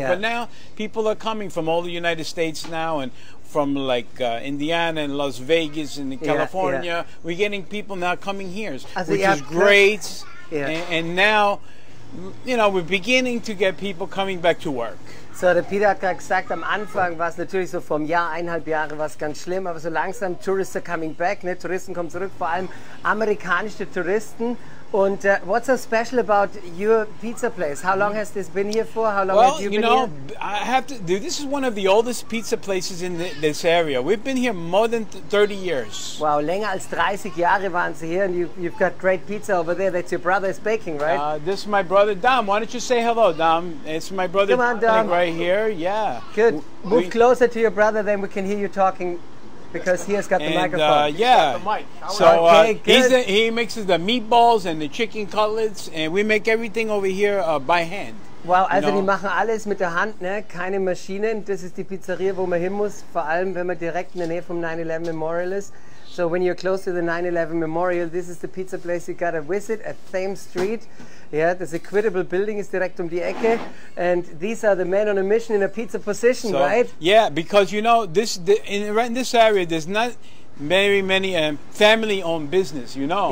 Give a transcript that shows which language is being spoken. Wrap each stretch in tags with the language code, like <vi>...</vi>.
<en>Yeah. But now people are coming from all the United States now and from like Indiana and Las Vegas and California. Yeah, yeah. We're getting people now coming here, also which is great. Yeah. And now, you know, we're beginning to get people coming back to work.</en> <de>So, der Peter hat gerade gesagt, am Anfang war es natürlich so vom Jahr, eineinhalb Jahre war es ganz schlimm, aber so langsam,</de> <en>tourists are coming back,</en> <de>ne? Touristen kommen zurück, vor allem amerikanische Touristen.</de> <en>And what's so special about your pizza place? How long has this been here for? How long well, have you, you know, here? Well, you know, I have to. Dude, this is one of the oldest pizza places in this area. We've been here more than 30 years. Wow,</en> <de>länger als 30 Jahre waren sie hier,</de> <en>and you've got great pizza over there that your brother is baking, right? This is my brother Dom. Why don't you say hello, Dom? It's my brother. Come on, Dom. Right here. Yeah. Good. Move closer to your brother, then we can hear you talking. Because he has got the microphone. So he mixes the meatballs and the chicken cutlets, and we make everything over here by hand.</en> <de>Wow, also die machen alles mit der Hand, ne? Keine Maschinen. Das ist die Pizzeria, wo man hin muss, vor allem wenn man direkt in der Nähe vom 9/11 Memorial ist.</de> <en>So when you're close to the 9/11 Memorial, this is the pizza place you gotta visit at Thames Street. Yeah, this Equitable Building is direct</en> <de>um die Ecke,</de> <en>and these are the men on a mission in a pizza position, so, right? Yeah, because you know this in this area there's not very many family-owned business, you know.</en>